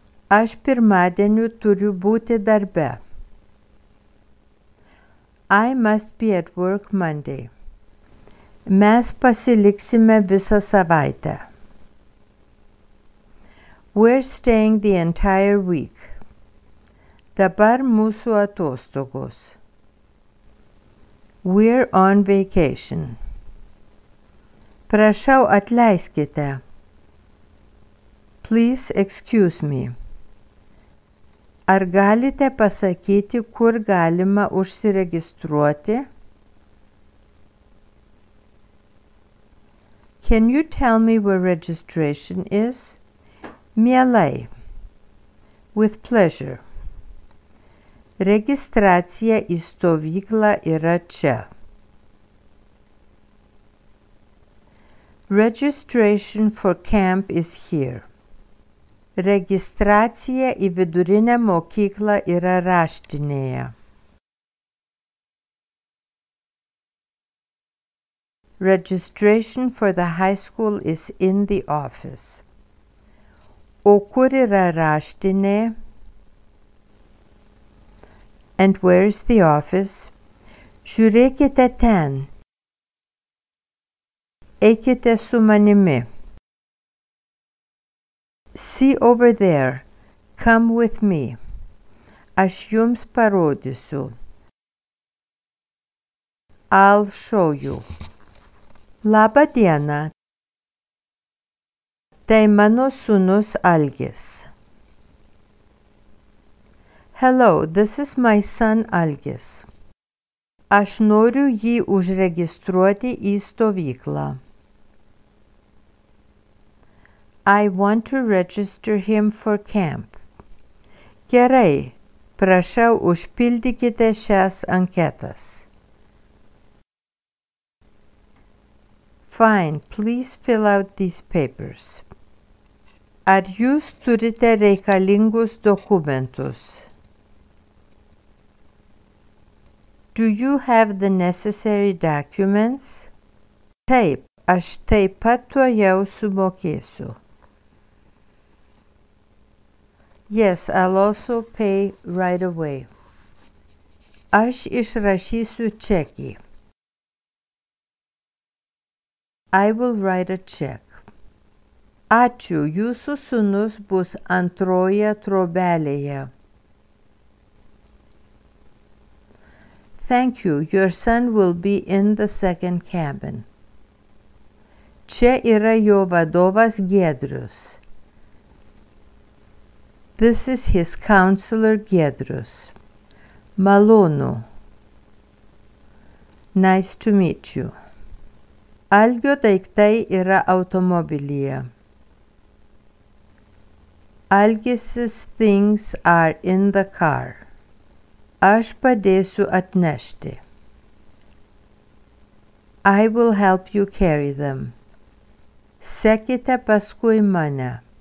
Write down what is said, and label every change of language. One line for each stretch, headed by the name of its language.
Lithuanian: Aš pirmadieniu turiu būti darbe.
English: I must be at work Monday.
Lithuanian: Mes pasiliksime visą savaitę.
English: We're staying the entire week.
Lithuanian: Dabar mūsų atostogos.
English: We're on vacation.
Lithuanian: Prašau atleiskite.
English: Please excuse me.
Lithuanian: Ar galite pasakyti, kur galima užsiregistruoti?
English: Can you tell me where registration is?
Lithuanian: Mielai.
English: With pleasure.
Lithuanian: Registracija į stovyklą yra čia.
English: Registration for camp is here.
Lithuanian: Registracija į vidurinę mokyklą yra raštinėje.
English: Registration for the high school is in the office.
Lithuanian: O kur yra raštinė?
English: And where is the office?
Lithuanian: Žiūrėkite ten. Eikite su manimi.
English: See over there. Come with me.
Lithuanian: Aš jums parodysiu.
English: I'll show you.
Lithuanian: Labą dieną. Tai mano sūnus Algis.
English: Hello, this is my son Algis.
Lithuanian: Aš noriu jį užregistruoti į stovyklą.
English: I want to register him for camp.
Lithuanian: Gerai, prašau užpildykite šias anketas.
English: Fine, please fill out these papers.
Lithuanian: Ar jūs turite reikalingus dokumentus?
English: Do you have the necessary documents?
Lithuanian: Taip, aš taip pat tuojau sumokėsiu.
English: Yes, I'll also pay right away.
Lithuanian: Aš išrašysiu čekį.
English: I will write a check.
Lithuanian: Ačiū, jūsų sūnus bus antroje trobelėje.
English: Thank you, your son will be in the second cabin.
Lithuanian: Čia yra jo vadovas Giedrius.
English: This is his counselor Giedrius.
Lithuanian: Malonu.
English: Nice to meet you.
Lithuanian: Algio daiktai yra automobilyje.
English: Algis's things are in the car.
Lithuanian: Aš padėsiu atnešti.
English: I will help you carry them.
Lithuanian: Sekite paskui mane.